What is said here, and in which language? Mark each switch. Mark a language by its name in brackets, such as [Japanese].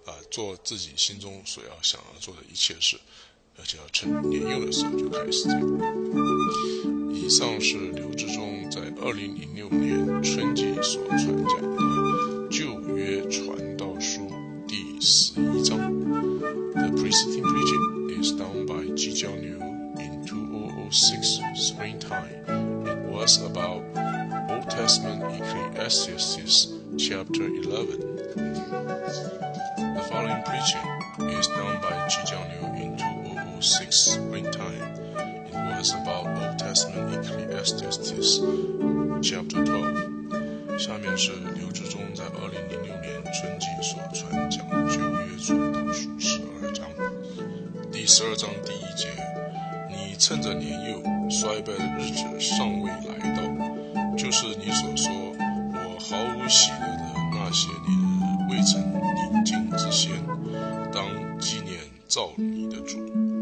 [Chinese] 做自己心中所要想要做的一切事，而且要趁年幼的时候就开始这样。以上是刘志忠在2006年春季所传讲的《旧约传道书》第11章。 [English] The Priesting Preaching is done by Tze-John in 2006 springtime. It was about Old Testament Ecclesiastes chapter 11. The following preaching is done by Tze-John in 2006 springtime. It was about Old Testament Ecclesiastes chapter 12. [Chinese] 下面是刘志忠在2006年春季所传讲的旧约传道书12章。第12章第1节，你趁着年幼衰败的日子尚未来到，就是你所说我毫无喜乐的那些年未曾宁静之先，当纪念造你的主。